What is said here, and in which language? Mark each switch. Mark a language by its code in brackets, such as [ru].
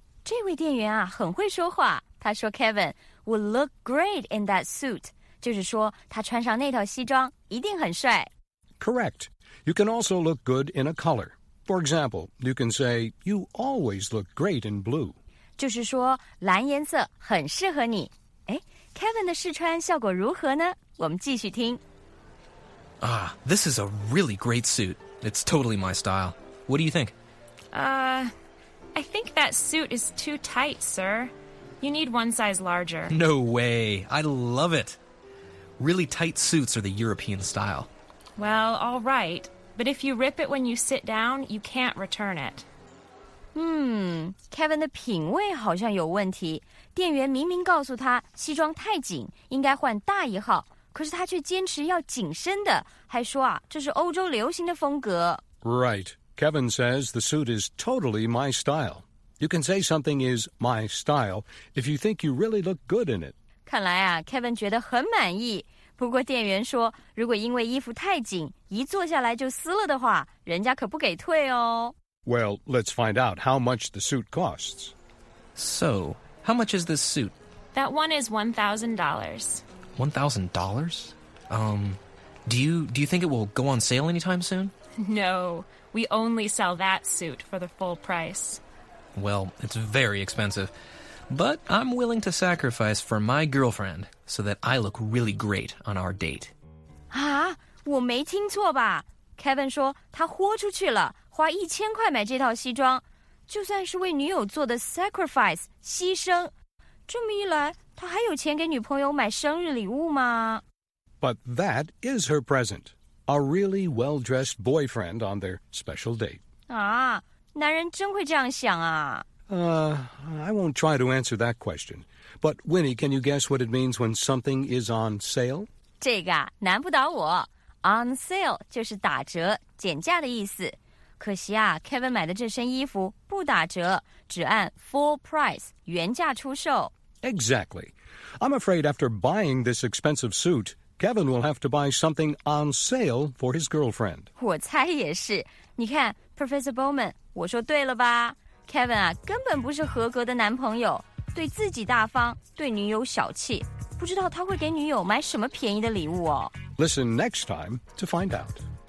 [zh] 这位店员啊，很会说话。他说 [en] Kevin would look great in that suit. [zh] 就是说他穿上那套西装一定很帅。 [en] Correct. You can also look good in a color. For example, you can say, you always look great in blue. [zh] 就是说蓝颜色很适合你。诶 ,Kevin 的试穿效果如何呢？我们继续听。 [en] Ah, this is a really great suit. It's totally my style. What do you think? I think that suit is too tight, sir. You need one size larger. No way. I love it. Really tight suits are the European style. Well, all right. But if you rip it when you sit down, you can't return it. [zh] Kevin 的品味好像有问题。店员明明告诉他西装太紧，应该换大一号，可是他却坚持要紧身的，还说啊，这是欧洲流行的风格。 [en] Right. Kevin says the suit is totally my style. You can say something is my style if you think you really look good in it. [zh] 看来啊 ,Kevin 觉得很满意。不过店员说，如果因为衣服太紧，一坐下来就撕了的话，人家可不给退哦。 [en] Well, let's find out how much the suit costs. So, how much is this suit? That one is $1,000. $1,000? Do you think it will go on sale anytime soon? No, we only sell that suit for the full price. Well, it's very expensive. But I'm willing to sacrifice for my girlfriend so that I look really great on our date. [zh] 啊，我没听错吧 ？Kevin 说他豁出去了，花1000块买这套西装，就算是为女友做的 sacrifice 牺牲。这么一来，他还有钱给女朋友买生日礼物吗 [en] ？But that is her present, a really well-dressed boyfriend on their special date. [zh] 啊，男人真会这样想啊！ [en] I won't try to answer that question. But, Winnie, can you guess what it means when something is on sale? [zh] 这个啊，难不倒我。On sale 就是打折、减价的意思。可惜啊 ,Kevin 买的这身衣服不打折，只按 full price, 原价出售。 [en] Exactly. I'm afraid after buying this expensive suit, Kevin will have to buy something on sale for his girlfriend. [zh] 我猜也是。你看 ,Professor Bowman, 我说对了吧。 Kevin 啊，根本不是合格的男朋友，对自己大方，对女友小气，不知道他会给女友买什么便宜的礼物哦。 [en] Listen next time to find out.